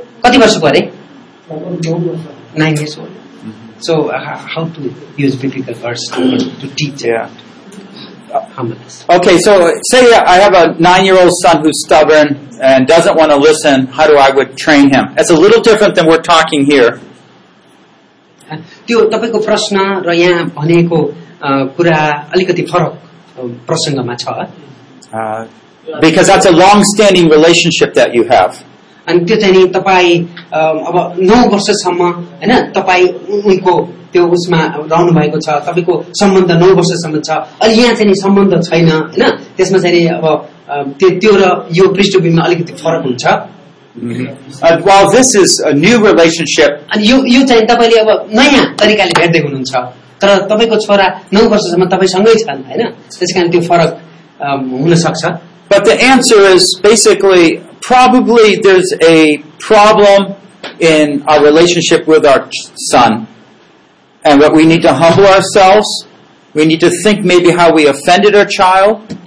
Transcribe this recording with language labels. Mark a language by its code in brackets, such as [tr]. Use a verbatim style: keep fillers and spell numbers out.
[ne] Kati varsha ko are? [en] Nine years old. Mm-hmm. So uh, how to use biblical verse to, to teach Yeah. humbleness? Okay, so say I have a nine-year-old son who's stubborn and doesn't want to listen. How do I would train him? That's a little different than we're talking here. [ne] त्यो तपाईको प्रश्न र यहाँ भनेको कुरा अलिकति फरक प्रसंगमा छ, [en] because that's a long-standing relationship that you have. [ne] अनि त्यो चाहिँ नि तपाई अब नौ वर्षसम्म हैन तपाई उनको त्यो उसमा रहनु भएको छ, तपाईको सम्बन्ध नौ वर्षसम्म छ। अनि यहाँ चाहिँ नि सम्बन्ध छैन हैन, त्यसमा चाहिँ नि अब त्यो र यो पृष्ठभूमिमा अलिकति फरक हुन्छ। [en] While this is a new relationship, [ne] अनि यो यो चाहिँ तपाईले अब नयाँ तरिकाले भेट्दै हुनुहुन्छ, तर तपाईको छोरा नौ वर्षसम्म तपाईसँगै छन् हैन, त्यसकारण त्यो फरक हुन सक्छ। [en] But the answer is basically probably there's a problem in our relationship with our son. And what we need to humble ourselves, we need to think maybe how we offended our child.